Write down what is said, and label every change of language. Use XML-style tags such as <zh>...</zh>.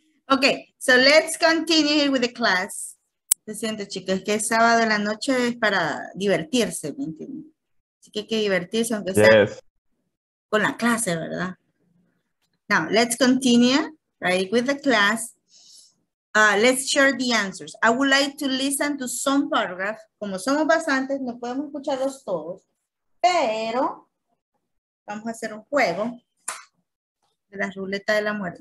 <en>Okay, so let's continue here with the class.</en> <es>¿Se siente, chicos? Que es sábado en la noche, es para divertirse, ¿me entienden? Así que hay que divertirse, aunque sea</es> <en>yes.</en> <es>Con la clase, ¿verdad?</es> <en>Now, let's continue, right, with the class. Let's share the answers. I would like to listen to some paragraphs.</en> <es>Como somos bastantes, no podemos escucharlos todos. Pero vamos a hacer un juego de la ruleta de la muerte.</es>